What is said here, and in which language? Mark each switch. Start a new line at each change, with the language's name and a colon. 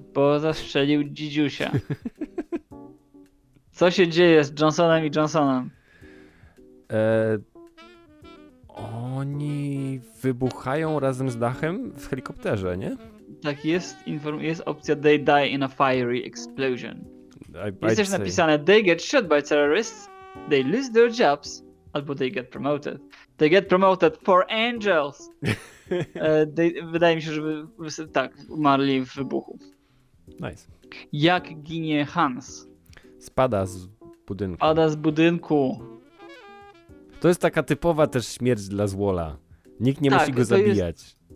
Polish: Bo zastrzelił dzidziusia. Co się dzieje z Johnsonem i Johnsonem? Oni wybuchają razem z dachem w helikopterze, nie? Tak, jest opcja
English: they die in a fiery explosion.
Polish: Jest też napisane
English: they get shot by terrorists, they lose their jobs,
Polish: albo
English: they get promoted. They get promoted for angels!
Polish: wydaje mi się, że tak, umarli w wybuchu.
English: Nice.
Polish: Jak ginie Hans? Spada z budynku. Spada z budynku. To jest taka typowa też śmierć dla Zwola. Nikt nie musi go zabijać.